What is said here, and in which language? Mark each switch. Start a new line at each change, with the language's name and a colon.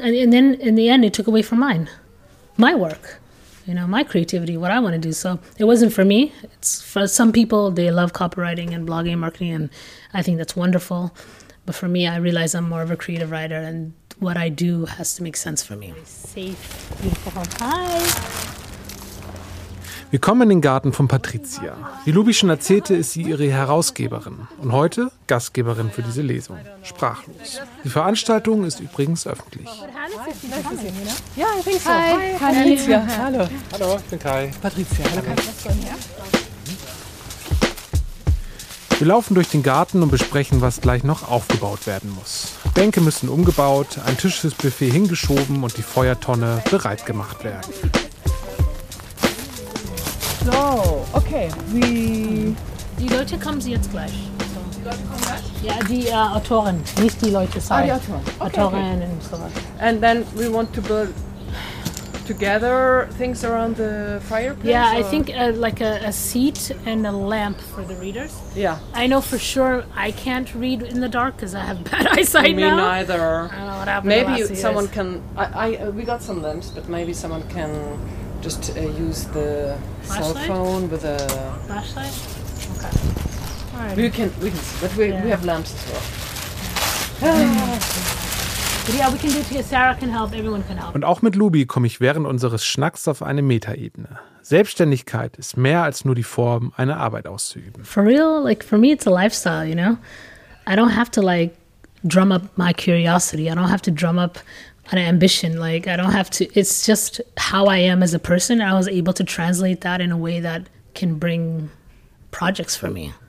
English: And then in the end, it took away from mine, my work, you know, my creativity, what I want to do. So it wasn't for me. It's for some people, they love copywriting and blogging and marketing. And I think that's wonderful. But for me, I realize I'm more of a creative writer and what I do has to make sense for me. Safe, beautiful home. Hi.
German: Wir kommen in den Garten von Patricia. Wie Lubi schon erzählte, ist sie ihre Herausgeberin und heute Gastgeberin für diese Lesung. Sprachlos. Die Veranstaltung ist übrigens öffentlich. Ja, ich bin Kai. Patricia. Hallo. Hallo, ich bin Kai. Patricia, hallo. Kai. Wir laufen durch den Garten und besprechen, was gleich noch aufgebaut werden muss. Bänke müssen umgebaut, ein Tisch fürs Buffet hingeschoben und die Feuertonne bereit gemacht werden. So, okay. Die Leute kommen sie jetzt gleich. So. Die Leute kommen gleich? Ja, die Autoren, nicht die Leute. Sorry. Ah, die Autoren. Okay, Autoren und so weiter.
English: And then we want to build together things around the fireplace? Yeah, or? I think like a seat and a lamp for the readers. Yeah. I know for sure I can't read in the dark because I have bad eyesight. Me now. Me neither. I don't know what happened. Maybe the last someone years. Can. We got some lamps, but maybe someone can just use the flashlight? Cell phone with a. Flashlight? Okay. All right. We can see, but we have lamps as well. But yeah, we can do it here. Sarah can help, everyone can help.
German: Und auch mit Lubi komme ich während unseres Schnacks auf eine Metaebene. Selbstständigkeit ist mehr als nur die Form, eine Arbeit auszuüben.
English: For real, like for me it's a lifestyle, you know? I don't have to like drum up my curiosity. I don't have to drum up an ambition. Like I don't have to, it's just how I am as a person. And I was able to translate that in a way that can bring projects for me.